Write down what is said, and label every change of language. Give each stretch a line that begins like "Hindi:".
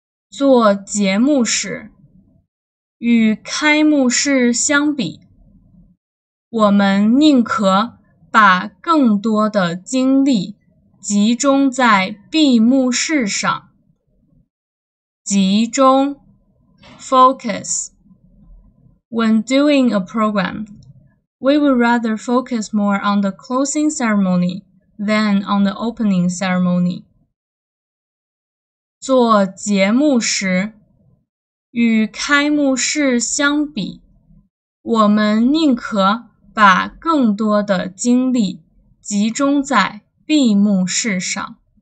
Chinese: 做节目时，与开幕式相比，我们宁可把更多的精力集中在闭幕式上。集中 Focus.
English: When doing a program, we would rather focus more on the closing ceremony than on the opening ceremony.
Chinese: 做节目时，与开幕式相比，我们宁可把更多的精力集中在闭幕式上。